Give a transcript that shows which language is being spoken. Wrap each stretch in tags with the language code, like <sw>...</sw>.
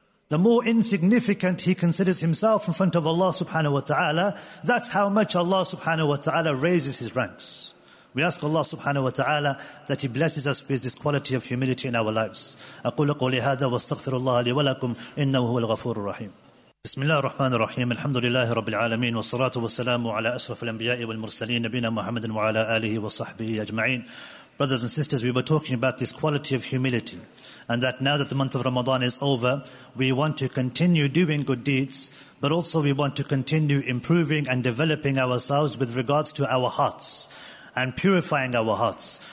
<en>The more insignificant he considers himself in front of Allah subhanahu wa ta'ala, that's how much Allah subhanahu wa ta'ala raises his ranks. We ask Allah subhanahu wa ta'ala that he blesses us with this quality of humility in our lives.</en> <ar>أَقُولَ قُولِ هَذَا وَاسْتَغْفِرُ اللَّهَ لِي وَلَكُمْ إِنَّهُ هُوَ الْغَفُورُ الرَّحِيمُ. بسم الله الرحمن الرحيم الحمد لله رب العالمين والصلاة والسلام على أشرف الأنبياء والمرسلين نبينا محمد وعلى آله وصحبه أجمعين.</ar> <en>Brothers and sisters, we were talking about this quality of humility, and that now that the month of Ramadan is over, we want to continue doing good deeds, but also we want to continue improving and developing ourselves with regards to our hearts and purifying our hearts.</en>